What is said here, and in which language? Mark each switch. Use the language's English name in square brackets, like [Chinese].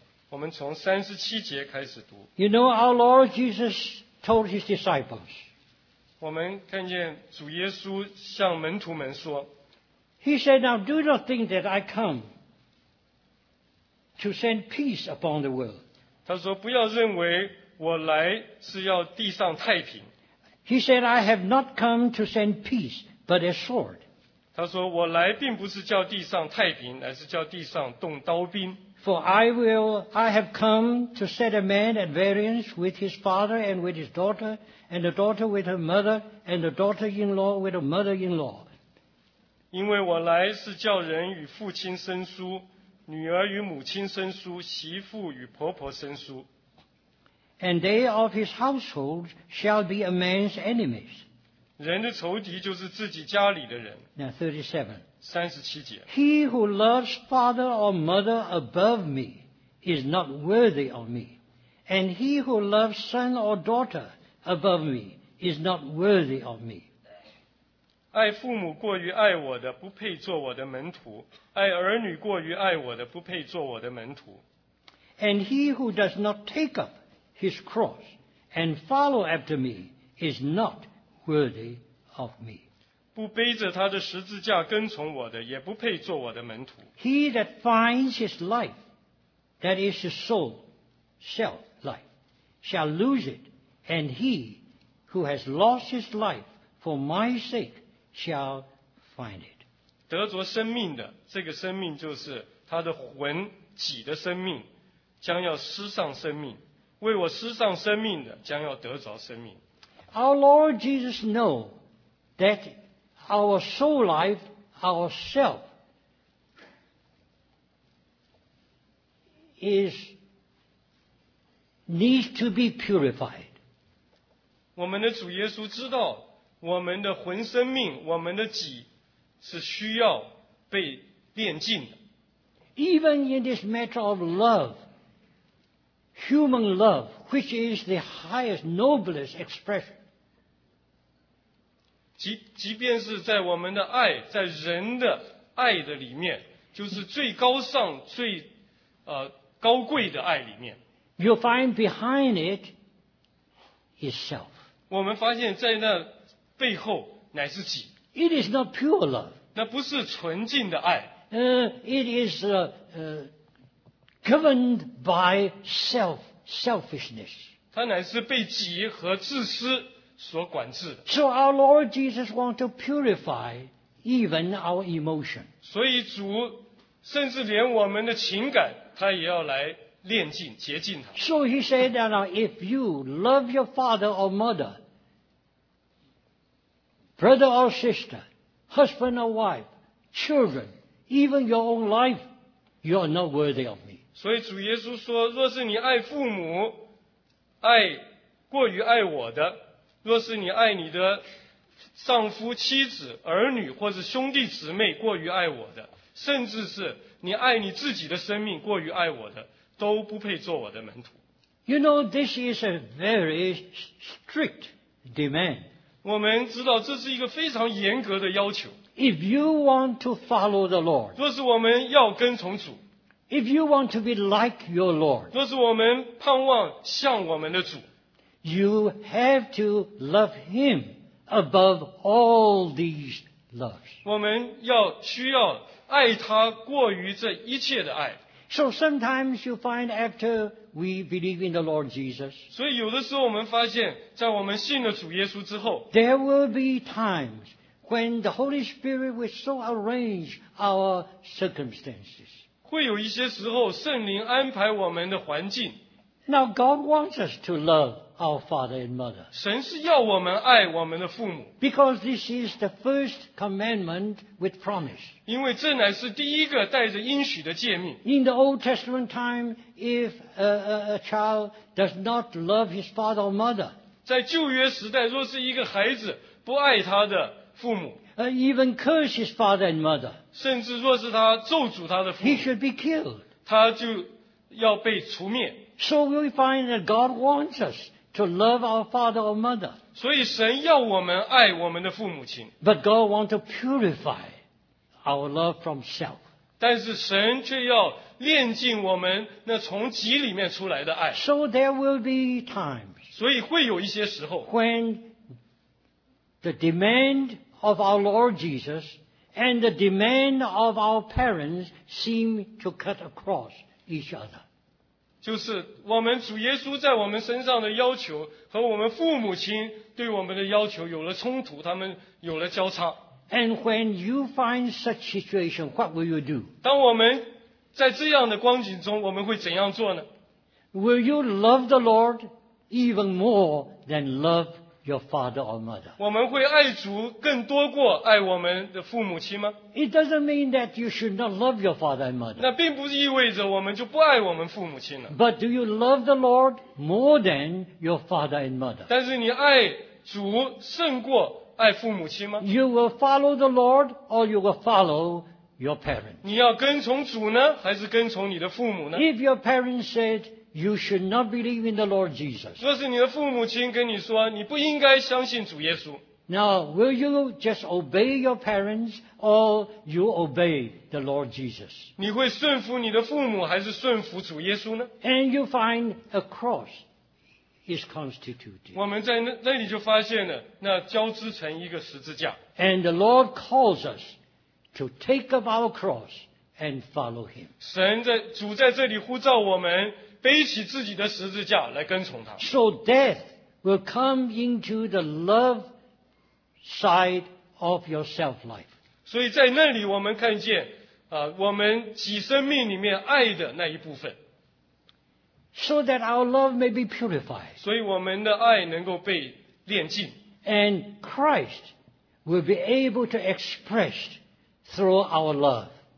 [Chinese] 我们从三十七节开始读。 [English] You know, our Lord Jesus told his disciples. [Chinese] 我们看见主耶稣向门徒们说。 [English] He said, now do not think that I come to send peace upon the world. [Chinese] 他说不要认为我来是要地上太平。 [English] He said, I have not come to send peace, but a sword. [Chinese] 他说我来并不是叫地上太平，乃是叫地上动刀兵。 [English] For I have come to set a man at variance with his father and with his daughter, and the daughter with her mother, and the daughter-in-law with her mother-in-law. [Chinese] 因为我来是叫人与父亲生疏，女儿与母亲生疏，媳妇与婆婆生疏。 [English] And they of his household shall be a man's enemies. [Chinese] 人的仇敌就是自己家里的人。 [English] Now 37 [Chinese] 节。 [English] He who loves father or mother above me is not worthy of me. And he who loves son or daughter above me is not worthy of me. [Chinese] 爱父母过于爱我的不配做我的门徒。爱儿女过于爱我的不配做我的门徒。 [English] And he who does not take up his cross and follow after me is not worthy of me. [Chinese] 不背着他的十字架跟从我的，也不配做我的门徒。 He that finds his life, that is his soul, self life, shall lose it, and he who has lost his life for my sake shall find it. 得着生命的，这个生命就是他的魂己的生命，将要失丧生命。为我失丧生命的，将要得着生命。 [English] Our Lord Jesus know that our soul life, our self, needs to be purified. [Chinese] 我们的主耶稣知道，我们的魂生命，我们的己，是需要被炼净的。 [English] Even in this matter of love, human love, which is the highest, noblest expression. [Chinese] 即便是在我们的爱，在人的爱的里面，就是最高尚、最高贵的爱里面。 [English] You find behind it is self. [Chinese] 我们发现在那背后乃是己。 [English] It is not pure love. [Chinese] 那不是纯净的爱。 [English] It is governed by selfishness. [Chinese] 它乃是被己和自私所管制的。 [English] So our Lord Jesus wants to purify even our emotion. [Chinese] 所以主甚至连我们的情感，他也要来炼净、洁净它。 [English] So he said that if you love your father or mother, brother or sister, husband or wife, children, even your own life, you are not worthy of me. [Chinese] 所以主耶稣说，若是你爱父母，爱过于爱我的，若是你爱你的丈夫、妻子、儿女或者兄弟姊妹过于爱我的，甚至是你爱你自己的生命过于爱我的，都不配做我的门徒。 [English] You know, this is a very strict demand. [Chinese] 我们知道这是一个非常严格的要求。 [English] If you want to follow the Lord, [Chinese] 若是我们要跟从主， [English] If you want to be like your Lord, [Chinese] 若是我们盼望像我们的主， [English] You have to love Him above all these loves. [Chinese] 我们要需要爱他过于这一切的爱。 [English] So sometimes you find after we believe in the Lord Jesus, [Chinese] 所以有的时候我们发现在我们信了主耶稣之后， [English] There will be timesWhen the Holy Spirit will so arrange our circumstances. [Chinese] 会有一些时候圣灵安排我们的环境。 [English] Now God wants us to love our father and mother. [Chinese] 神是要我们爱我们的父母。 [English] Because this is the first commandment with promise. [Chinese] 因为这乃是第一个带着应许的诫命。 [English] In the Old Testament time, if a child does not love his father or mother, [Chinese] 在旧约时代，若是一个孩子不爱他的父母， [English] even curse his father and mother, [Chinese] 甚至若是他咒诅他的父母， [English] he should be killed. [Chinese] 他就要被除灭。 [English] So we find that God wants us to love our father or mother. [Chinese] 所以神要我们爱我们的父母亲。 [English] But God wants to purify our love from self. [Chinese] 但是神却要炼净我们那从己里面出来的爱。 [English] So there will be times, [Chinese] 所以会有一些时候， [English] whenThe demand of our Lord Jesus and the demand of our parents seem to cut across each other. [Chinese] 就是我们主耶稣在我们身上的要求和我们父母亲对我们的要求有了冲突，他们有了交叉。 [English] And when you find such situation, what will you do? [Chinese] 当我们在这样的光景中，我们会怎样做呢？ [English] Will you love the Lord even more than love your father or mother? [Chinese] 我们会爱主更多过爱我们的父母亲吗？ [English] It doesn't mean that you should not love your father and mother. [Chinese] 那并不意味着我们就不爱我们父母亲了。 [English] But do you love the Lord more than your father and mother? [Chinese] 但是你爱主胜过爱父母亲吗？ [English] You will follow the Lord or you will follow your parents. [Chinese] 你要跟从主呢，还是跟从你的父母呢？ [English] If your parents said,You should not believe in the Lord Jesus. [Chinese] 若是你的父母亲跟你说，你不应该相信主耶稣。 [English] Now, will you just obey your parents or you obey the Lord Jesus? [Chinese] 你会顺服你的父母还是顺服主耶稣呢？ [English] And you find a cross is constituted. [Chinese] 我们在 那里就发现了，那交织成一个十字架。 [English] And the Lord calls us to take up our cross and follow Him. [Chinese] 神在主在这里呼召我们背起自己的十字架来跟从他。 [English] So death will come into the love side of your self life. [Chinese] 所以在那里我们看见，我们己生命里面爱的那一部分。 [English] So that our love may be purified. [Chinese] 所以我们的爱能够被炼净。 [English] And Christ will be able to express through our love.